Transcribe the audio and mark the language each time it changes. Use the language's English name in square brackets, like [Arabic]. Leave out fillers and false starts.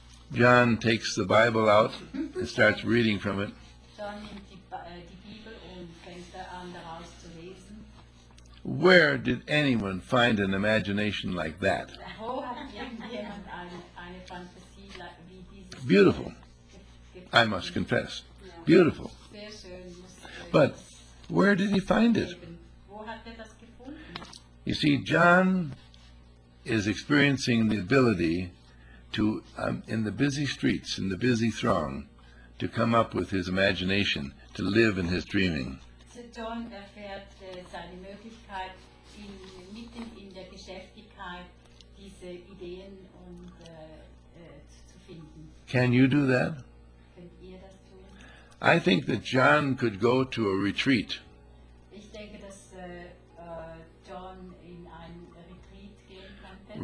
[English] John takes the Bible out and starts reading from it. [German] John nimmt die Bibel und fängt an daraus zu lesen. [English] Where did anyone find an imagination like that? [German] Wo hat irgendjemand eine Fantasie wie diese? [English] Beautiful. I must confess. Beautiful. [German] Sehr schön. [English] But where did he find it? [German] Wo hat das gefunden? [English] You see, John is experiencing the ability to, in the busy streets, in the busy throng, to come up with his imagination, to live in his dreaming. [German] So John erfährt seine Möglichkeit, mitten in der Geschäftigkeit diese Ideen zu finden. [English] Can you do that? [German] Könnt ihr das tun? [English] I think that John could go to a retreat. [German] Ich denke, dass John in ein Retreat gehen könnte.